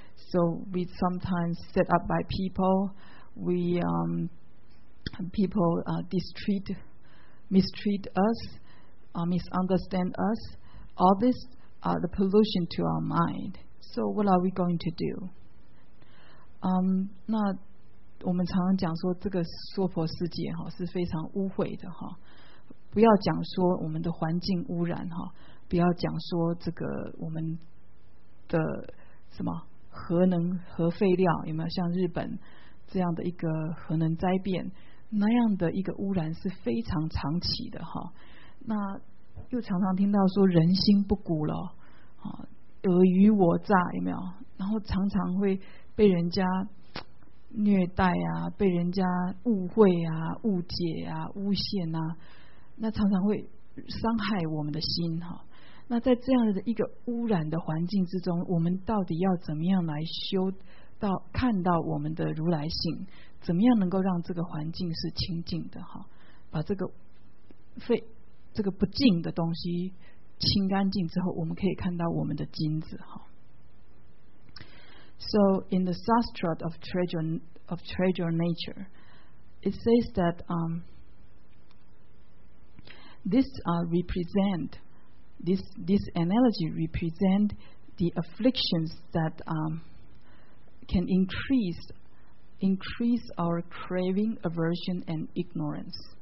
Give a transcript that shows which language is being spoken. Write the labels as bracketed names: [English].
[English] So we sometimes set up by people, mistreat us, misunderstand us, all this the pollution to our mind. So what are we going to do? [Chinese] 那我们常常讲说这个娑婆世界是非常污秽的，不要讲说我们的环境污染，不要讲说这个我们的什么核能核废料，有没有像日本这样的一个核能灾变，那样的一个污染是非常长期的。那又常常听到说人心不古了，尔虞我诈，有没有？然后常常会被人家虐待啊，被人家误会啊、误解啊、诬陷啊，那常常会伤害我们的心。那在这样的一个污染的环境之中，我们到底要怎么样来修到看到我们的如来性？怎么样能够让这个环境是清净的？把这个废这个不净的东西清干净之后，我们可以看到我们的金子。 [English] So in the sastra of treasure nature, it says that this analogy represent the afflictions that can increase our craving, aversion and ignorance.